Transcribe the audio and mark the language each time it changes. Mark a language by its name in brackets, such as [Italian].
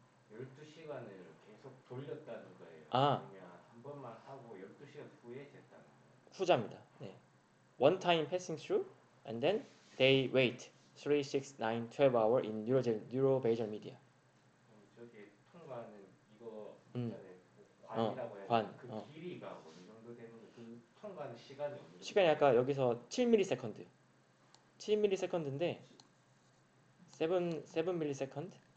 [Korean] 12시간을 계속 돌렸다는 거예요. 아. 아니면 한 번만 하고 12시간 후에 했다는 거예요. 후자입니다. 네. [English] One time passing through and then they wait 3, 6, 9, 12 hour in neurobasal media. [Korean] 저기 통과는 이거 있잖아요. 관이라고 해야 되나? 그 길이가 어느 정도 되는 거. 그 통과는 시간이 없는 거예요. 시간이 아까 여기서 7ms. 7ms인데 7ms.